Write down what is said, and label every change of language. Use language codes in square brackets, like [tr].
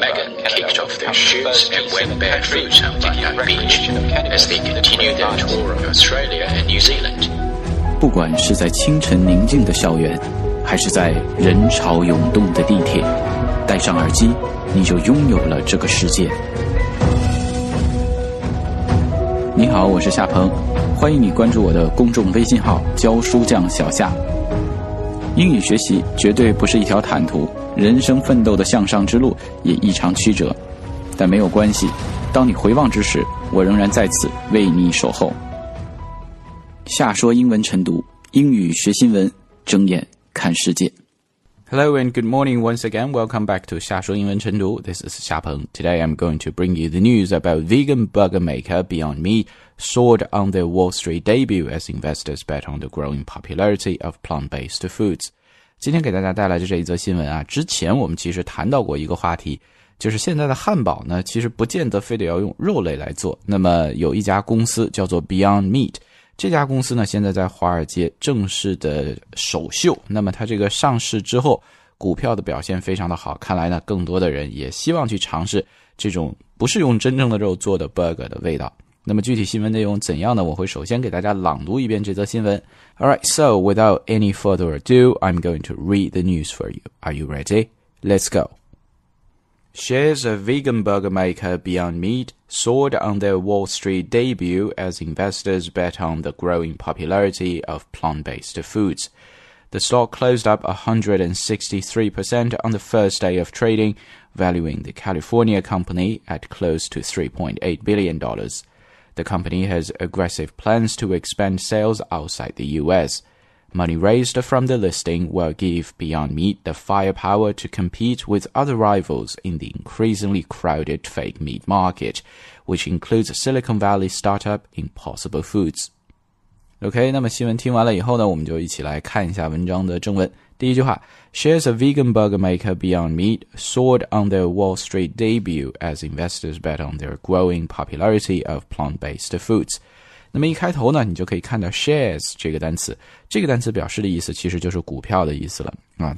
[en] Megan kicked off their shoes and went barefoot on Bondi Beach as they continued their tour of Australia and New Zealand. [zh] 不管是在清晨宁静的校园，还是在人潮涌动的地铁，戴上耳机，你就拥有了这个世界。你好，我是夏鹏，欢迎你关注我的公众微信号教书匠小夏。英语学习绝对不是一条坦途，人生奋斗的向上之路也异常曲折，但没有关系，当你回望之时，我仍然在此为你守候。夏说英文晨读，英语学新闻，睁眼看世界。 [en] Hello and good morning once again. Welcome back to 夏说英文晨读.This is 夏鹏. Today I'm going to bring you the news about vegan burger maker Beyond Meat soared on their Wall Street debut as investors bet on the growing popularity of plant-based foods. [zh] 今天给大家带来的这一则新闻啊，之前我们其实谈到过一个话题，就是现在的汉堡呢，其实不见得非得要用肉类来做。那么有一家公司叫做 Beyond Meat。这家公司呢，现在在华尔街正式的首秀，那么它这个上市之后股票的表现非常的好，看来呢更多的人也希望去尝试这种不是用真正的肉做的 burger 的味道。那么具体新闻内容怎样呢，我会首先给大家朗读一遍这则新闻。 [en] Alright, so without any further ado, I'm going to read the news for you. Are you ready? Let's go. Shares of vegan burger maker Beyond Meat soared on their Wall Street debut as investors bet on the growing popularity of plant-based foods. The stock closed up 163% on the first day of trading, valuing the California company at close to $3.8 billion. The company has aggressive plans to expand sales outside the U.S. Money raised from the listing will give Beyond Meat the firepower to compete with other rivals in the increasingly crowded fake meat market, which includes Silicon Valley startup Impossible Foods. [zh] OK, 那么新闻听完了以后呢，我们就一起来看一下文章的正文。第一句话， [en] Shares of vegan burger maker Beyond Meat soared on their Wall Street debut as investors bet on their growing popularity of plant-based foods. [zh] 那么一开头呢，你就可以看到 shares 这个单词，这个单词表示的意思其实就是股票的意思了啊。